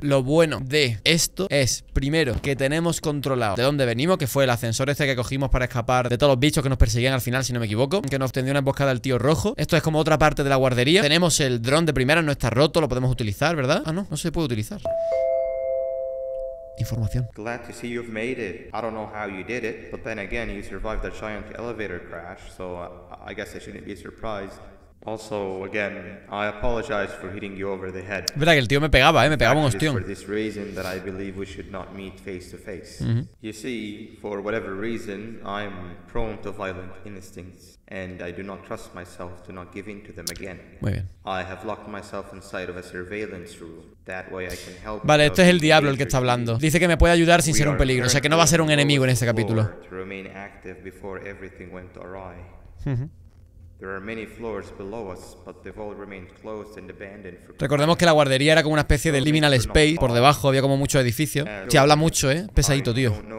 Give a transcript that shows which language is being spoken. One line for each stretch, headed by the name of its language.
Spanish: Lo bueno de esto es, primero, que tenemos controlado de dónde venimos, que fue el ascensor este que cogimos para escapar de todos los bichos que nos perseguían al final, si no me equivoco. Que nos tendió una emboscada el tío rojo. Esto es como otra parte de la guardería. Tenemos el dron de primera, no está roto, lo podemos utilizar, ¿verdad? Ah, no, no se puede utilizar. Información.
English: Glad to see you've made it. I don't know how you did it, but then again, you survived the giant elevator crash, so I guess I shouldn't be surprised. Also, again, I apologize for hitting you over the head.
Spanish: Verdad que el tío me pegaba, me pegaba un hostión.
English: For this reason that I believe we should not meet face to face. You see, for whatever reason, I'm prone to violent instincts, and I do not trust myself to not give in to them again.
Spanish: Muy bien.
English: I have locked myself inside of a surveillance room. That way I can help.
Spanish: Vale, esto es el diablo el que está hablando. Dice que me puede ayudar sin ser un peligro, o sea que no va a ser un enemigo en este capítulo.
English: To remain active before everything went awry. There are many floors below us, but they've all remained closed and abandoned for...
Spanish: Recordemos que la guardería era como una especie de liminal space. Por debajo había como mucho edificio. Se habla mucho, pesadito, tío.